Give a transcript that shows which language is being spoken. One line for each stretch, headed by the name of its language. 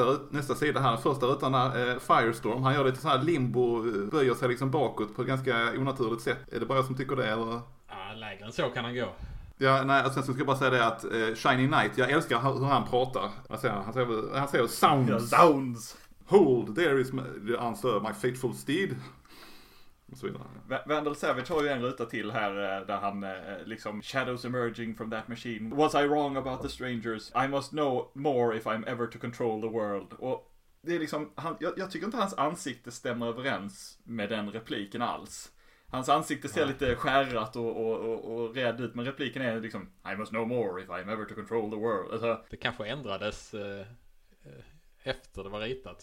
Swedish: Nästa sida här, första rutan är Firestorm. Han gör lite så här limbo, böjer sig liksom bakåt på ett ganska onaturligt sätt. Är det bara jag som tycker det? Eller? Ja, lägre än så kan han gå. Ja, nej, sen ska jag bara säga det att Shining Knight, jag älskar hur han pratar. Han säger sounds. Yeah,
English: sounds. Hold, there is the answer, my faithful steed.
Swedish: Och så vidare. Vendel Savage har ju en ruta till här där han liksom
English: shadows emerging from that machine. Was I wrong about the strangers? I must know more if I'm ever to control the world.
Swedish: Och det är liksom, jag tycker inte hans ansikte stämmer överens med den repliken alls. Hans ansikte ser lite skärrat och rädd ut, men repliken är liksom
English: I must know more if I'm ever to control the world.
Swedish: Alltså, det kanske ändrades efter det var ritat.